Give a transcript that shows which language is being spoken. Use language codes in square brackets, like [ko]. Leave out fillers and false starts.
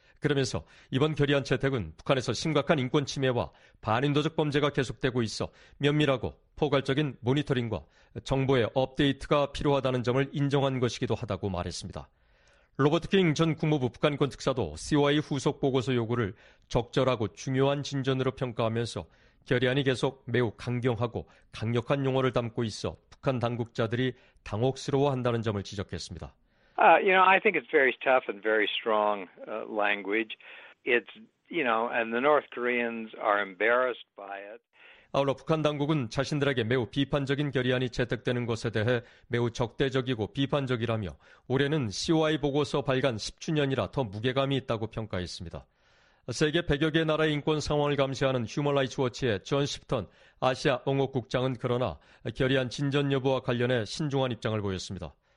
[ko] 그러면서 이번 결의안 채택은 북한에서 심각한 인권 침해와 반인도적 범죄가 계속되고 있어 면밀하고 포괄적인 모니터링과 정보의 업데이트가 필요하다는 점을 인정한 것이기도 하다고 말했습니다. 로버트 킹 전 국무부 북한권특사도 COI 후속 보고서 요구를 적절하고 중요한 진전으로 평가하면서 결의안이 계속 매우 강경하고 강력한 용어를 담고 있어 북한 당국자들이 당혹스러워한다는 점을 지적했습니다. [en] I think it's very tough and very strong language. It's, you know, and the North Koreans are embarrassed by it. [ko] 아울러 북한 당국은 자신들에게 매우 비판적인 결의안이 채택되는 것에 대해 매우 적대적이고 비판적이라며 올해는 COI 보고서 발간 10주년이라 더 무게감이 있다고 평가했습니다. 세계 100여 개 나라의 인권 상황을 감시하는 휴먼라이츠 워치의 존 시프턴 아시아 옹호 국장은 그러나 결의안 진전 여부와 관련해 신중한 입장을 보였습니다.